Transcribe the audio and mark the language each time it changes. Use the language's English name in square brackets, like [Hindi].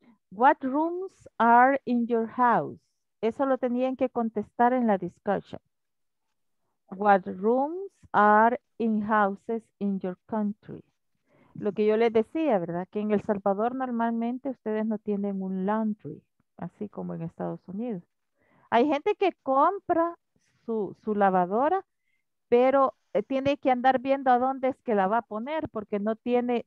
[English] What rooms are in your house? [Spanish] Eso lo tenían que contestar en la discussion. [English] What rooms are in houses in your country? [Spanish] Lo que yo les decía, ¿verdad? Que en El Salvador normalmente ustedes no tienen un laundry, así como en Estados Unidos. Hay gente que compra su lavadora, pero tiene que andar viendo a dónde es que la va a poner, porque no tiene